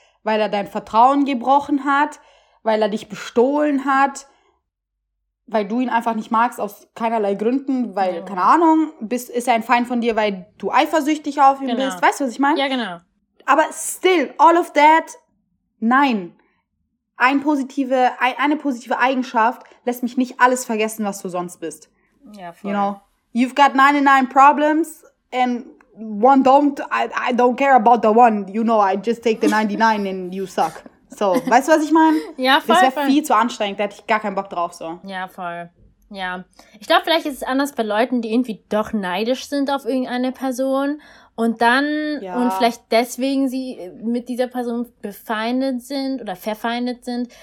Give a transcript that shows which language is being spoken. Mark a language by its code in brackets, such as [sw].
[de] Weil er dein Vertrauen gebrochen hat? Weil er dich bestohlen hat? Weil du ihn einfach nicht magst aus keinerlei Gründen? Weil, keine Ahnung, ist er ein Feind von dir, weil du eifersüchtig auf ihn bist? Weißt du, was ich meine? Ja, genau. [en] Aber still, all of that, nein. [de] Eine positive Eigenschaft lässt mich nicht alles vergessen, was du sonst bist. Ja, voll. [en] You know, you've got 99 problems and one don't, I don't care about the one. You know, I just take the 99 and you suck. [de] So, weißt du, was ich meine? Ja, voll. Das wäre viel zu anstrengend, da hätte ich gar keinen Bock drauf. So. Ja, voll. Ja. Ich glaube, vielleicht ist es anders bei Leuten, die irgendwie doch neidisch sind auf irgendeine Person. Und dann, und vielleicht deswegen sie mit dieser Person befeindet sind oder verfeindet sind.